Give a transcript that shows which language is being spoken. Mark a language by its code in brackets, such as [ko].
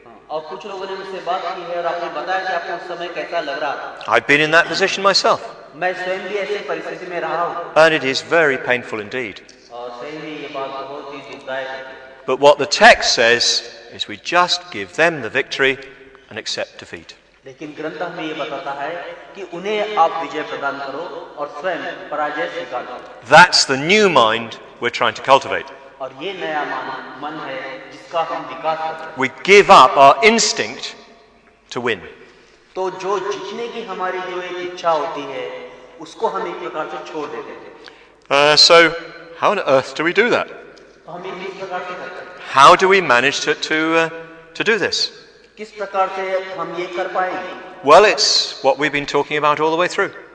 [en] I've been in that position myself. And it is very painful indeed. But what the text says is we just give them the victory and accept defeat. [hi] लेकिन ग्रंथ हमें ये बताता है कि उन्हें आप विजय प्रदान करो और स्वयं पराजय स्वीकार करो. [en] That's the new mind we're trying to cultivate. [hi] और ये नया मन है जिसका हम विकास कर रहे हैं. [en] We give up our instinct to win. [hi] तो जो जीतने की हमारी जो एक इच्छा होती है उसको हम एक प्रकार से छोड़ देते हैं. [en] So how on earth do we do that? How do we manage to do this? Well, it's what we've been talking about all the way through.